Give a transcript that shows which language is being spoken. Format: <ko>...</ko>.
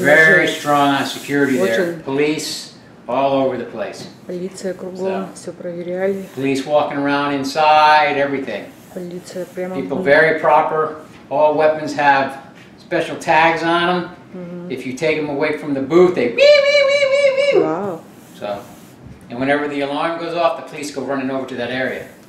<en>They're very strong on security there. Police all over the place.</en> <ru>Полиция кругом, все проверяли.</ru> <en>Police walking around inside, everything.</en> <ru>Полиция прямо.</ru> <en>People very proper. All weapons have special tags on them. If you take them away from the booth, they wee wee wee wee wee. Wow. So. And whenever the alarm goes off, the police go running over to that area.</en>